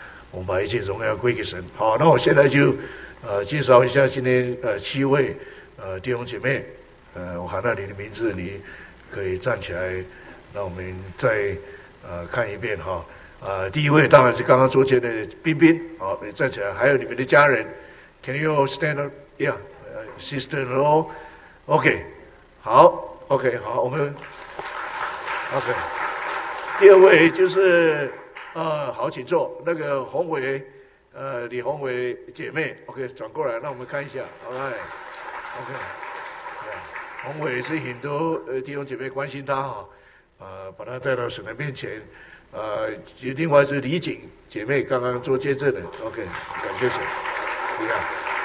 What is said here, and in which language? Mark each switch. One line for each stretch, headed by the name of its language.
Chinese: 我们把一切荣耀归给神。好，那我现在就介绍一下今天七位弟兄姐妹。我喊到你的名字，你可以站起来，那我们再看一遍哈。第一位当然是刚刚出现的彬彬，好，你站起来。还有你们的家人 ，
English: Can you stand up？ Yeah。
Chinese: Sister-in-law, okay, 好 ，okay, 好，我们 ，okay， 第二位就是好，请坐，那个宏伟，李宏伟姐妹 ，okay， 转过来，让我们看一下 ，all right，okay， 宏伟是很多弟兄姐妹关心他哈，把他带到神的面前，另外是李锦姐妹刚刚做见证的 ，okay， 感谢神，厉害。